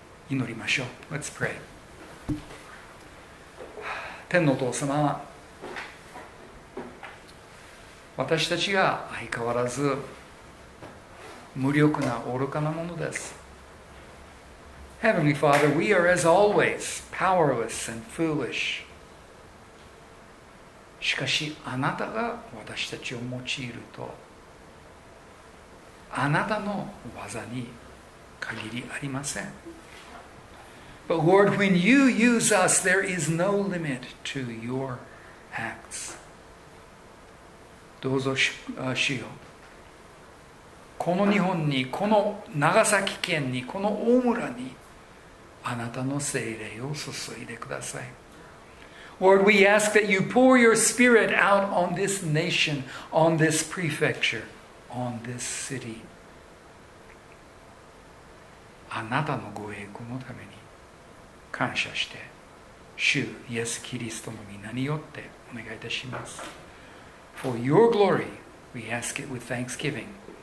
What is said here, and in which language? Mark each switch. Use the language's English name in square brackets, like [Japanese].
[Japanese] 祈りましょう。 [English] Let's pray. [Japanese] 天のお父様、私たちが相変わらず無力な愚かなものです。 [English] Heavenly Father, we are as always powerless and foolish. [Japanese] しかしあなたが私たちを用いると、あなたの技に限りありません。 [English] But Lord, when you use us, there is no limit to your acts. [Japanese] どうぞ主よ、この日本に、この長崎県に、この大村にあなたの聖霊を注いでください。 [English] Lord, we ask that you pour your spirit out on this nation, on this prefecture, on this city. [Japanese] あなたのご栄光のために感謝して、主イエス・キリストの名によってお願いいたします。 [English] For your glory, we ask it with thanksgiving.